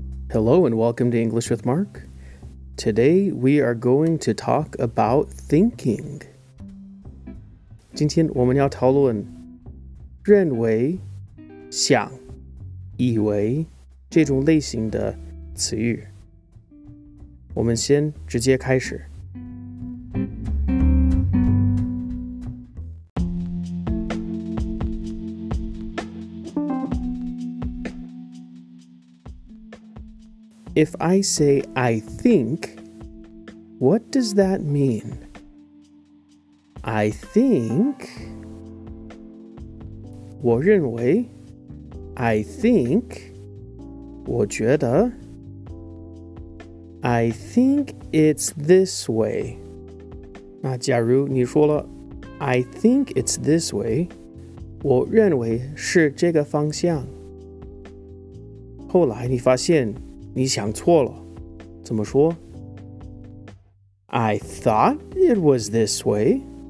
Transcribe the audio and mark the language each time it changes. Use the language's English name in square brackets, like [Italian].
[English] Hello and welcome to English with Mark. Today we are going to talk about thinking. [Chinese] 今天我们要讨论认为、想、以为这种类型的词语。我们先直接开始。 [English] If I say I think, what does that mean? I think, [Chinese] 我认为, [English] I think, [Chinese] 我觉得, [English] I think it's this way. [Chinese] 那假如你说了, [English] I think it's this way, [Chinese] 我认为是这个方向。后来你发现你想错了，怎么说？ [English] I thought it was this way.